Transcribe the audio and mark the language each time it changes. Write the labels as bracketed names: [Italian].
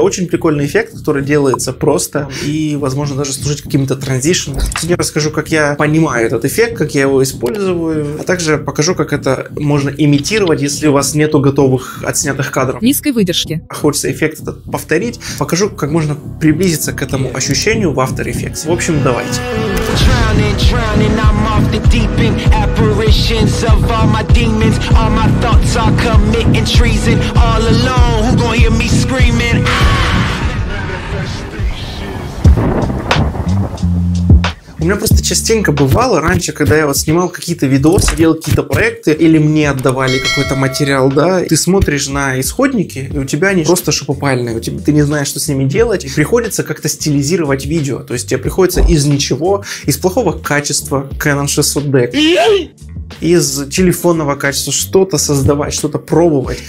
[Russian] Очень прикольный эффект, который делается просто и, возможно, даже служить каким-то транзишеном. Я расскажу, как я понимаю этот эффект, как я его использую, а также покажу, как это можно имитировать, если у вас нету готовых отснятых кадров. Низкой выдержки. Хочется эффект этот повторить. Покажу, как можно приблизиться к этому ощущению в After Effects. В общем, давайте. [English] Drowning, I'm off the deep end. Apparitions of all my demons. All my thoughts are committing treason. All alone, who gonna hear me screaming? [Russian] У меня просто частенько бывало раньше, когда я вот снимал какие-то видосы, делал какие-то проекты, или мне отдавали какой-то материал, да, ты смотришь на исходники, и у тебя они просто шопопальные, ты не знаешь, что с ними делать, и приходится как-то стилизировать видео, то есть тебе приходится из ничего, из плохого качества Canon 600D, из телефонного качества что-то создавать, что-то пробовать.